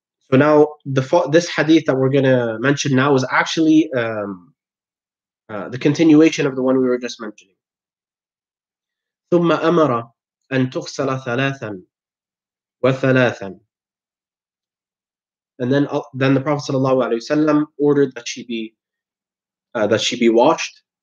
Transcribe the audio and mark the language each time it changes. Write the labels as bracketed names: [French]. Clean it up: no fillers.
[English] So now this hadith that we're going to mention now is actually the continuation of the one we were just mentioning. [Arabic] ثم أمر أن تغسل ثلاثا وثلاثا. [English] And then the Prophet sallallahu alaihi wasallam ordered that she be washed.